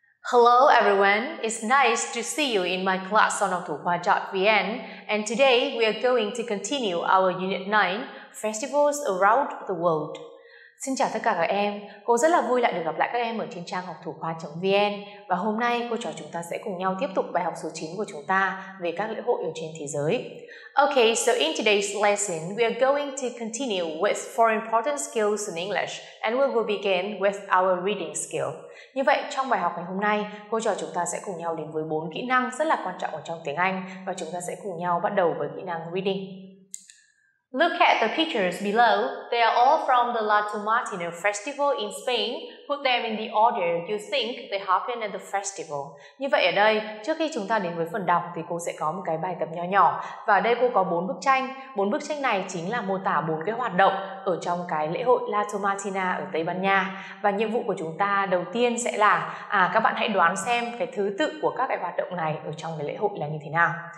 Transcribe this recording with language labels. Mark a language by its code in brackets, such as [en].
[en] Hello everyone, it's nice to see you in my class on onthuhua.vn, and today we are going to continue our Unit 9, Festivals Around the World. [vi] Xin chào tất cả các em, cô rất là vui lại được gặp lại các em ở trên trang onthuhua.vn và hôm nay cô trò chúng ta sẽ cùng nhau tiếp tục bài học số 9 của chúng ta về các lễ hội ở trên thế giới. [en] Okay, so in today's lesson, we are going to continue with four important skills in English and we will begin with our reading skill. [vi] Như vậy, trong bài học ngày hôm nay, cô trò chúng ta sẽ cùng nhau đến với bốn kỹ năng rất là quan trọng ở trong tiếng Anh và chúng ta sẽ cùng nhau bắt đầu với kỹ năng reading. [en] Look at the pictures below. They are all from the La Tomatina Festival in Spain. Put them in the order you think they happen at the festival. [vi] Như vậy ở đây, trước khi chúng ta đến với phần đọc thì cô sẽ có một cái bài tập nhỏ nhỏ. Và ở đây cô có bốn bức tranh. Bốn bức tranh này chính là mô tả bốn cái hoạt động ở trong cái lễ hội La Tomatina ở Tây Ban Nha. Và nhiệm vụ của chúng ta đầu tiên sẽ là các bạn hãy đoán xem cái thứ tự của các cái hoạt động này ở trong cái lễ hội là như thế nào.